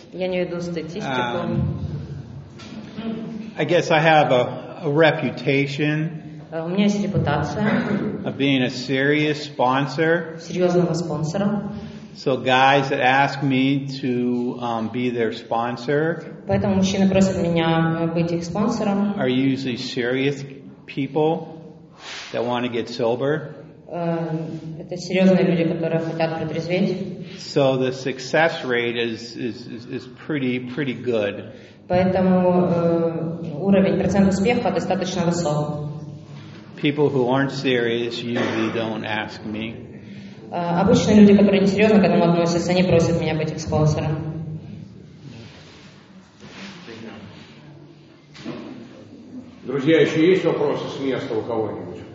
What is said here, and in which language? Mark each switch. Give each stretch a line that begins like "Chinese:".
Russian: Я не веду статистику.
English: I guess I have a reputation.
Russian: У меня есть репутация.
English: Of being a serious sponsor.
Russian: Серьезного спонсора.
English: So guys that ask me to be their sponsor.
Russian: Поэтому мужчины просят меня быть их спонсором.
English: Are usually serious people that want to get sober.
Russian: Это серьезные люди, которые хотят протрезветь.
English: So the success rate is pretty good.
Russian: Поэтому уровень процент успеха достаточно высок.
English: People who aren't serious usually don't ask me.
Russian: Обычно люди, которые не серьезно к этому относятся, они просят меня быть их спонсором. Друзья, еще есть вопросы с места у кого-нибудь?